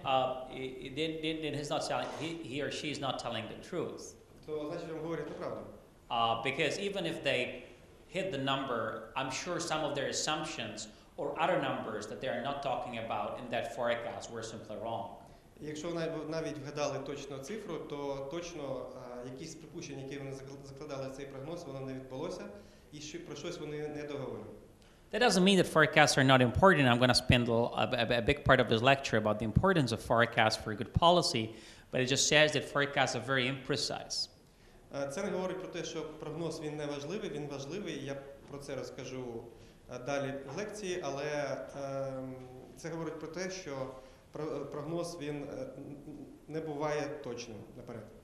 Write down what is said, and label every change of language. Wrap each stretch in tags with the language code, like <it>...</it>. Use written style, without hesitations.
<en>So then he's not telling, he or she is not telling the truth.</en> <uk>То значить, вам говорять неправду.</uk> <en>Because even if they hit the number, I'm sure some of their assumptions or other numbers that they are not talking about in that forecast were simply wrong.</en> <uk>Якщо навіть вгадали точно цифру, то точно якісь припущення, які вони закладали в цей прогноз, воно не відбулося, і про щось вони не договорили.</uk> <en>That doesn't mean that forecasts are not important. I'm going to spend a big part of this lecture about the importance of forecasts for good policy, but it just says that forecasts are very imprecise.</en> <uk>Це не говорить про те, що прогноз він не важливий, він важливий, я про це розкажу далі в лекції, але це говорить про те, що прогноз він не буває точним наперед.</uk>